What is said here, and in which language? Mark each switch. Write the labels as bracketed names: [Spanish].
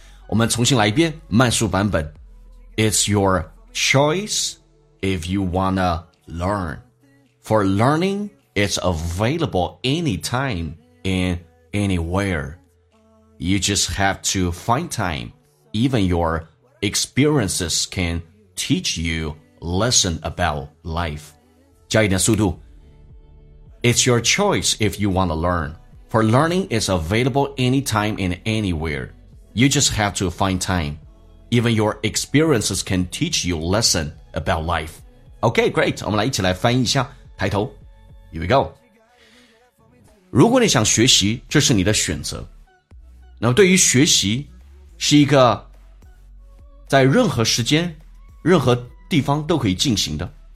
[Chinese] 我们重新来一遍慢速版本。 [English] It's your choice if you wanna learn. For learning, it's available anytime and anywhere. You just have to find time. Even your experiences can teach you a lesson about life. [Chinese] 加一点速度。 [English] It's your choice if you want to learn. For learning is available anytime and anywhere. You just have to find time. Even your experiences can teach you a lesson about life. Okay, great. [Chinese] 我们来一起来翻译一下抬头。 [English] Here we go. [Chinese] 如果你想学习，这是你的选择。那么对于学习是一个在任何时间、任何地方都可以进行的。